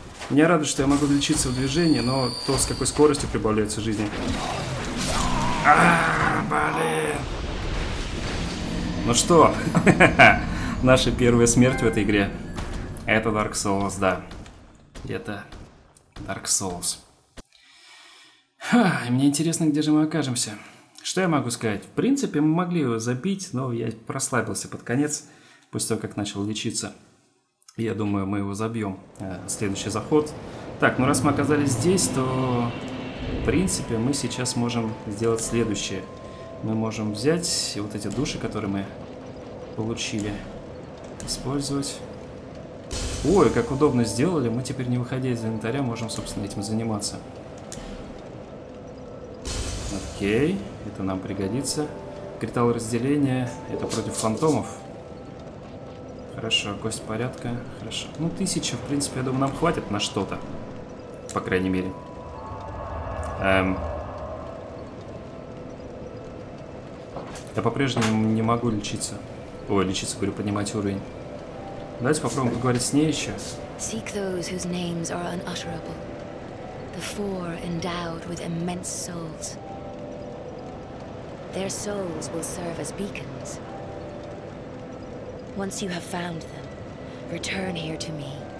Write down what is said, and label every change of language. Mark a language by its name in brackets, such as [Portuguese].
[Russian] Меня радует, что я могу лечиться в движении, но то, с какой скоростью прибавляется жизни. Блин. Ну что, наша первая смерть в этой игре. Это Dark Souls, да. Это Dark Souls. Ха, мне интересно, где же мы окажемся. Что я могу сказать? В принципе, мы могли его забить, но я прослабился под конец, после того, как начал лечиться. Я думаю, мы его забьем. Следующий заход. Так, ну раз мы оказались здесь, то... В принципе, мы сейчас можем сделать следующее. Мы можем взять вот эти души, которые мы получили, использовать... Ой, как удобно сделали. Мы теперь, не выходя из инвентаря, можем, собственно, этим заниматься. Окей, это нам пригодится. Кристалл разделения. Это против фантомов. Хорошо, кость порядка. Хорошо. Ну, 1000, в принципе, я думаю, нам хватит на что-то. По крайней мере. Я по-прежнему не могу лечиться. Ой, лечиться, говорю, поднимать уровень. Давайте попробуем поговорить с ней еще. [English] Seek those whose names are unutterable. The four endowed with immense souls. Their souls will serve as beacons. Once you have found them, return here to me.